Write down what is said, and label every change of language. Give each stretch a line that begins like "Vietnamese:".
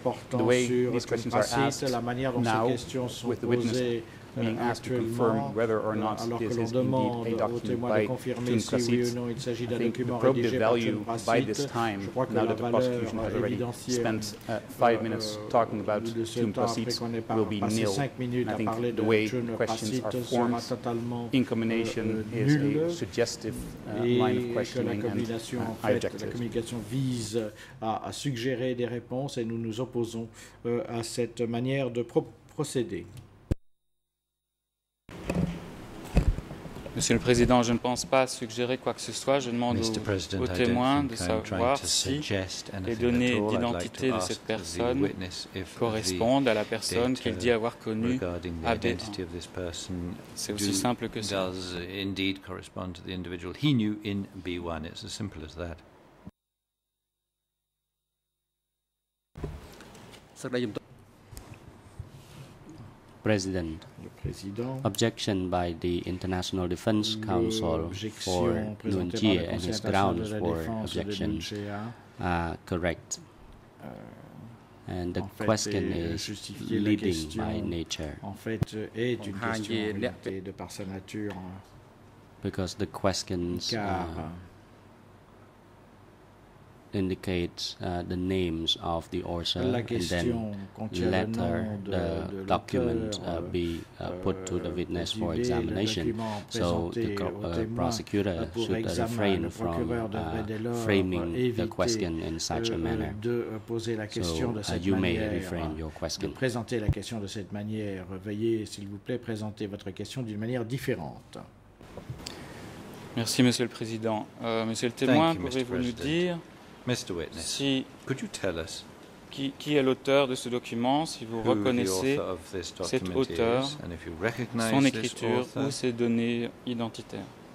English: The way these questions are asked now, with the witness being asked to confirm whether or not this is indeed a document by Chung Prasit, I think the probative value by this time, now that the prosecution has already spent 5 minutes talking about Chung Prasit, will be nil. I think the way questions are formed in combination is a suggestive line of questioning and I object to it.
French: À suggérer des réponses et nous nous opposons à cette manière de procéder. Monsieur le Président, je ne pense pas suggérer quoi que ce soit. Je demande au témoin de savoir si les données d'identité de cette personne correspondent à la personne qu'il dit avoir connue à B1. C'est aussi simple que ça.
English: Indeed correspond to the individual he knew in B1. It's as simple as that. President.
French: Le président.
English: Objection by the International Defense Council for Nguyen Chie and his grounds for objection correct. And the question is leading by nature.
French: En fait, est une question limitée de par sa nature.
English: Because the questions indicates the names of the author and then letter the document be put to the witness for examination. So the prosecutor should refrain from framing the question in such a manner. You may reframe your question.
French: Présenter la question de cette manière. Veuillez, s'il vous plaît, présenter votre question d'une manière différente. Merci, Monsieur le Président. Monsieur le témoin, pouvez-vous nous dire
English: Mr. Witness,
French: si,
English: could you tell us
French: qui est l'auteur de ce document, si vous reconnaissez cet auteur, son écriture ou ses données identitaires?